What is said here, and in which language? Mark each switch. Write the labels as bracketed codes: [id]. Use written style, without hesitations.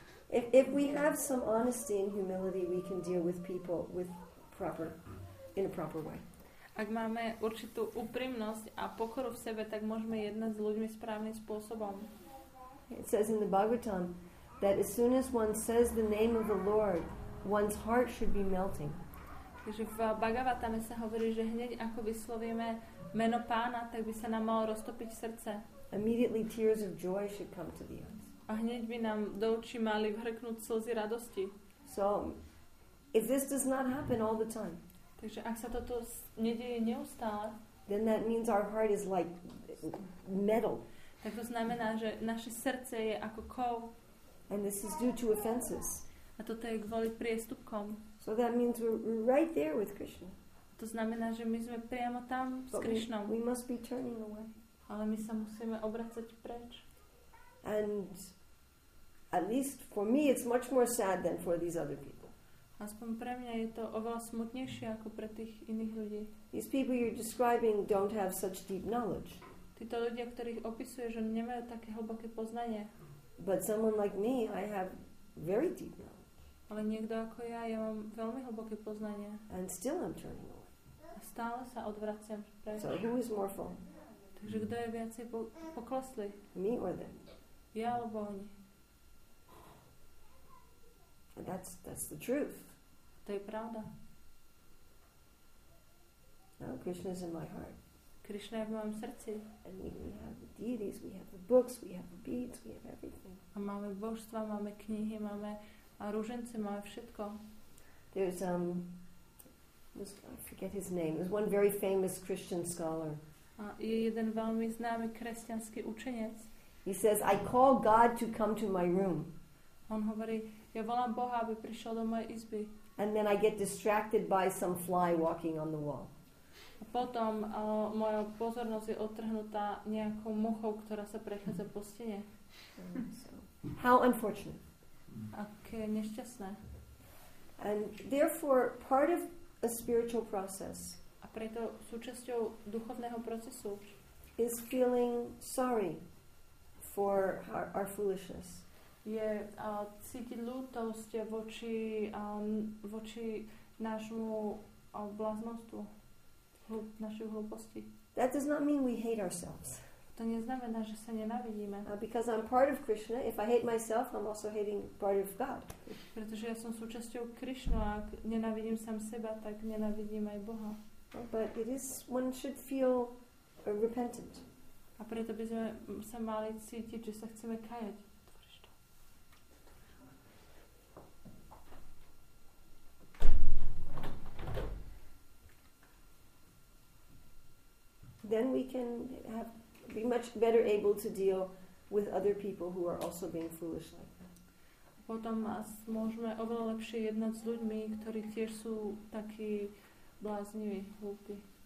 [en] If we have some honesty and humility, we can deal with people with proper, in a proper way. [sk] Ak máme určitú úprimnosť a pokoru v sebe, tak môžeme jednať s ľuďmi správnym spôsobom. [en] It says in the Bhagavatam that as soon as one says the name of the Lord, one's heart should be melting. [sk] Takže v Bhagavatame sa hovorí, že hneď ako vyslovíme meno Pána, tak by sa nám malo roztopiť srdce. [en] Immediately tears of joy should come to the eyes. [sk] A hneď by nám do očí mali vhrknúť slzy radosti. [en] So, if this does not happen all the time, [sk] takže ak sa toto nedieje neustále, [en] then that means our heart is like metal. [sk] Tak to znamená, že naše srdce je ako kov. [en] And this is due to offenses. [sk] A toto je kvôli priestupkom. [en] So that means we're right there with Krishna. [sk] To znamená, že my sme priamo tam s Krishnom. [en] We must be turning away. [sk] Ale my sa musíme obracať preč. [en] And at least for me it's much more sad than for these other people. [sk] Aspoň pre mňa je to oveľa smutnejšie ako pre tých iných ľudí. [en] These people you're describing don't have such deep knowledge. [sk] Títo ľudia, ktorých opisuješ, že nemajú také hlboké poznanie. [en] But someone like me, I have very deep knowledge. [sk] Ale niekto ako ja mám veľmi hlboké poznanie. [en] And still I'm turning away. [sk] A stále sa odvraciam. [en] So who is more full? [sk] Takže kto je viacej poklesli? [en] Me or them? [sk] Ja alebo oni? [en] That's the truth. [sk] To je pravda. [en] No, Krishna is in my heart. [sk] Krishna je v mojom srdci. [en] And we have the deities, we have the books, we have the beads, we have everything. [sk] A máme božstva, máme knihy, máme a rúžence, máme všetko. [en] There's I forget his name. There's one very famous Christian scholar. [sk] A je jeden veľmi známy kresťanský učenec. [en] He says, I call God to come to my room. [sk] On hovorí, ja volám Boha, aby prišiel do mojej izby. [en] And then I get distracted by some fly walking on the wall. [sk] A potom moja pozornosť je odtrhnutá nejakou muchou, ktorá sa prechádza po stene. [en] How unfortunate. [sk] Aké nešťastné. [en] And therefore part of a spiritual process. [sk] A preto súčasťou duchovného procesu [en] is feeling sorry for our foolishness. [sk] Je cítiť ľútosť voči voči nášmu bláznostu, našej hlúposti. [en] That does not mean we hate ourselves. [sk] To neznamená, že sa nenávidíme. [en] Because I'm part of Krishna, if I hate myself, I'm also hating part of God. [sk] Pretože ja som súčasťou Krishna, ak nenávidím sám seba, tak nenávidím aj Boha. [en] But it is, one should feel repentant. [sk] A preto by sme sa mali cítiť, že sa chceme kajať. [en] Then we can have be much better able to deal with other people who are also being foolish like that. [sk] Potom môžeme oveľa lepšie jednať s ľuďmi, ktorí tiež sú takí bláznivi, hlúpi.